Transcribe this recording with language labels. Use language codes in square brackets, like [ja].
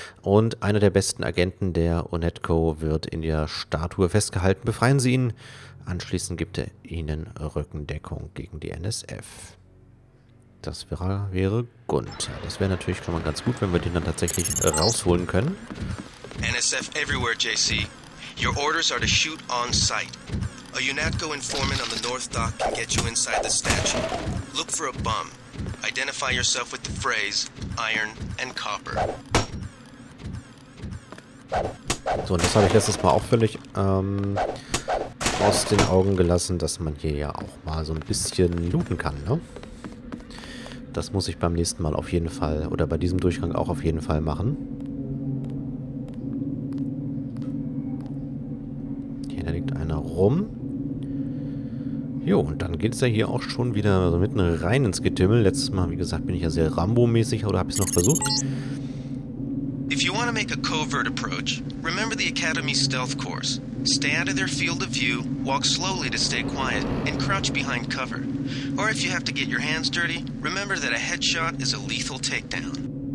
[de] Und einer der besten Agenten der Unecto wird in der Statue festgehalten. Befreien Sie ihn. Anschließend gibt er Ihnen Rückendeckung gegen die NSF. Das wäre Gunther. Das wäre natürlich schon mal ganz gut, wenn wir den dann tatsächlich rausholen können. [en] NSF everywhere, JC. Your orders are to shoot on sight. A UNATCO informant on the North Dock can get you inside the statue. Look for a bomb. Identify yourself with the phrase iron and copper. [de] So, und das habe ich letztes Mal auch völlig aus den Augen gelassen, dass man hier ja auch mal so ein bisschen looten kann, ne? Das muss ich beim nächsten Mal auf jeden Fall, oder bei diesem Durchgang auch auf jeden Fall machen. Hier, da liegt einer rum. Jo, und dann geht es ja hier auch schon wieder so mitten rein ins Getümmel. Letztes Mal, wie gesagt, bin ich ja sehr Rambo-mäßig, oder habe ich es noch versucht? [en] If you want to make a covert approach, remember the Academy stealth course. Stay out of their field of view, walk slowly to stay quiet, and crouch behind cover. Or if you have to get your hands dirty, remember that a headshot is a lethal takedown.